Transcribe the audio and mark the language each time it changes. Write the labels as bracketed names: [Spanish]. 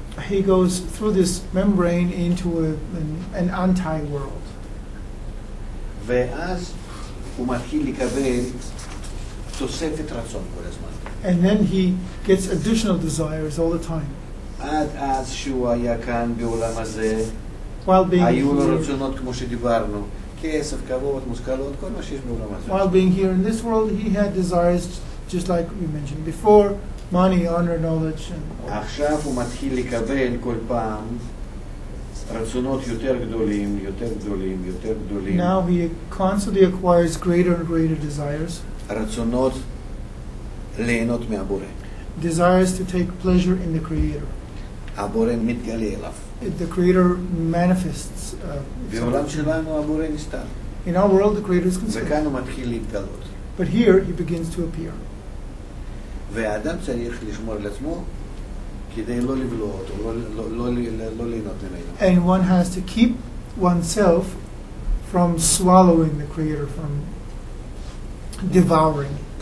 [English] he goes through this membrane into an anti-world. [Hebrew] ואז הוא מתחיל לקבל תוספת רצון כל הזמן. [English] And then he gets additional desires all the time. [Hebrew] עד אז שהוא היה כאן בעולם הזה, [English] while being [Hebrew] היו לו רצונות כמו שדיברנו, כסף, כבוד, מושכלות, כל מה שיש בעולם הזה. [English] While being here in this world, he had desires just like we mentioned before, money, honor, knowledge. [Hebrew] עכשיו הוא מתחיל לקבל כל פעם רצונות יותר גדולים, יותר גדולים, יותר גדולים. [English] Now he constantly acquires greater and greater desires. [Hebrew] רצונות ליהנות מהבורא. [English] Desires to take pleasure in the Creator. [Hebrew] הבורא מתגלה אליו. [English] The Creator manifests. [Hebrew] בעולם שלנו הבורא נסתר. [English] In our world, the Creator is concealed. [Hebrew] וכאן הוא מתחיל להתגלות. [English] But here he begins to appear. [Hebrew] והאדם צריך לשמור על עצמו. [English] And one has to keep oneself from swallowing the Creator, from devouring.